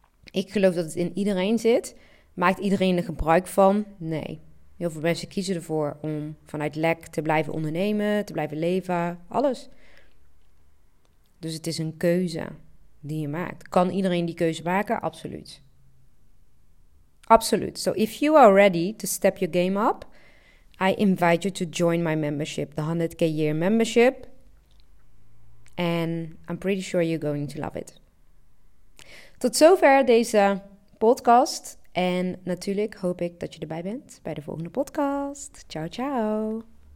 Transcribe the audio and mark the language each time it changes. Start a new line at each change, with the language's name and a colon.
Dutch: Ik geloof dat het in iedereen zit. Maakt iedereen er gebruik van? Nee. Heel veel mensen kiezen ervoor om vanuit lack te blijven ondernemen, te blijven leven, alles. Dus het is een keuze die je maakt. Kan iedereen die keuze maken? Absoluut. Absoluut.
English: So if you are ready to step your game up, I invite you to join my membership, the 100K Year Membership. And I'm pretty sure you're going to love it.
Dutch: Tot zover deze podcast. En natuurlijk hoop ik dat je erbij bent bij de volgende podcast. Ciao, ciao.